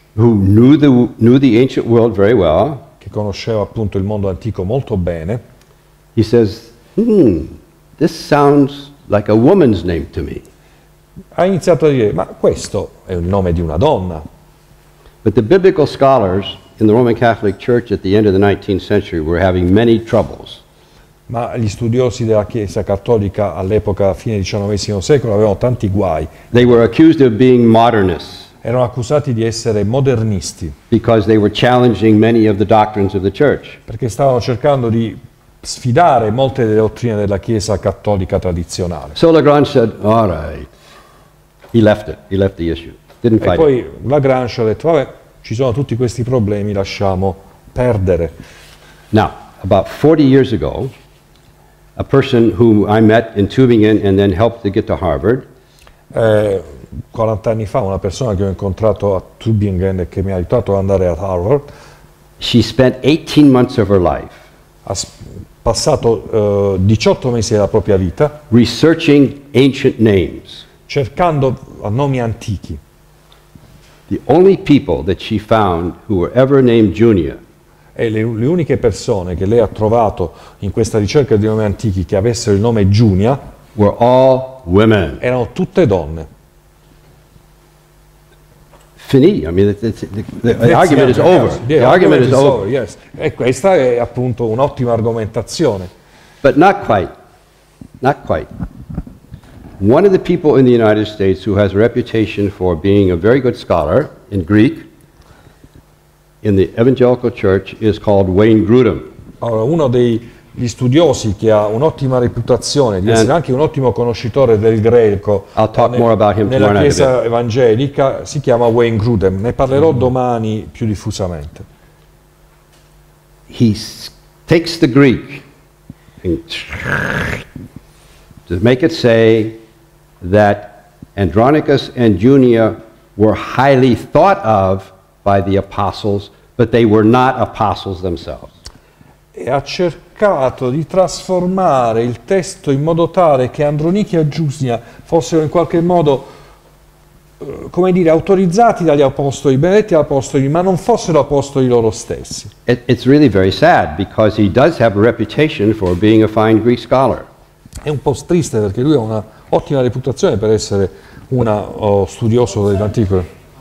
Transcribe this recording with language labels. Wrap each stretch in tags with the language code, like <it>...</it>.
<en>who knew the ancient world very well,</en> <it>che conosceva appunto il mondo antico molto bene,</it> <en>he says, this sounds like a woman's name to me.</en> <it>Ha iniziato a dire, ma questo è il nome di una donna.</it> <en>But the biblical scholars in the Roman Catholic Church at the end of the 19th century were having many troubles.</en> <it>Ma gli studiosi della Chiesa cattolica all'epoca fine XIX secolo avevano tanti guai.</it> <en>They were accused of being modernists.</en> <it>erano accusati di essere modernisti.</it> <en>Because they were challenging many of the doctrines of the church.</en> <it>Perché stavano cercando di sfidare molte delle dottrine della Chiesa cattolica tradizionale.</it> <en>So Lagrange said, all right. He left it. He left the issue. Didn't fight.</en> <it>E poi Lagrange ha detto, vabbè, ci sono tutti questi problemi, lasciamo perdere.</it> <en>Now, about 40 years ago, a person whom I met in Tübingen and then helped to get to Harvard.</en> <it>40 anni fa, una persona che ho incontrato a Tübingen e che mi ha aiutato ad andare a Harvard.</it> <en>She spent 18 months of her life.</en> <it>Ha passato 18 mesi della propria vita</it> <en>researching ancient names.</en> <it>Cercando nomi antichi.</it> <en>The only people that she found who were ever named Junior.</en> <it>E le uniche persone che lei ha trovato in questa ricerca di nomi antichi che avessero il nome Junia</it> <en>were all women.</en> <it>Erano tutte donne.</it> <en>Finì, I mean, the argument is over. Yes.</en> <it>E questa è appunto un'ottima argomentazione.</it> <en>But not quite. Not quite. One of the people in the United States who has a reputation for being a very good scholar in Greek in the Evangelical Church is called Wayne Grudem.</en> <it>Allora, uno degli studiosi che ha un'ottima reputazione di essere anche un ottimo conoscitore del greco nella Chiesa evangelica si chiama Wayne Grudem. Ne parlerò domani più diffusamente.</it> <en>He takes the Greek to make it say that Andronicus and Junia were highly thought of by the apostles, but they were not apostles themselves.</en> <it>E ha cercato di trasformare il testo in modo tale che Andronichi e Giusnia fossero in qualche modo, come dire, autorizzati dagli apostoli, benedetti apostoli, ma non fossero apostoli loro stessi.</it> <en>It's really very sad because he does have a reputation for being a fine Greek scholar.</en> <it>È un po' triste perché lui ha una ottima reputazione per essere una studioso dell'antico.</it>